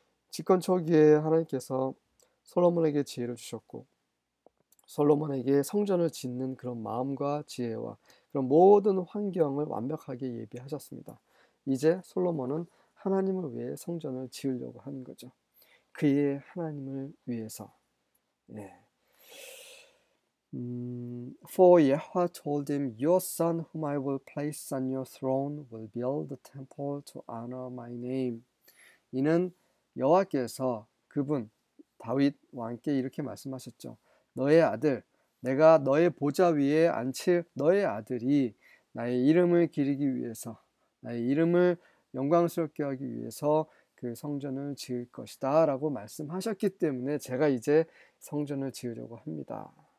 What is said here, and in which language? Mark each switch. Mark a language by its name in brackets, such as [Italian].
[Korean] 집권 초기에 하나님께서 솔로몬에게 지혜를 주셨고, 솔로몬에게 성전을 짓는 그런 마음과 지혜와 그런 모든 환경을 완벽하게 예비하셨습니다. 이제 솔로몬은 하나님을 위해 성전을 지으려고 하는 거죠. 그의 하나님을 위해서. 4. [English] Yahweh told him, Your son whom I will place on your throne will build the temple to honor my name. [Korean] 이는 여호와께서 그분 다윗 왕께 이렇게 말씀하셨죠. 너의 아들, 내가 너의 보좌 위에 앉힐 너의 아들이 나의 이름을 기리기 위해서, 나의 이름을 영광스럽게 하기 위해서 그 성전을 지을 것이다 라고 말씀하셨기 때문에 제가 이제 성전을 지으려고 합니다.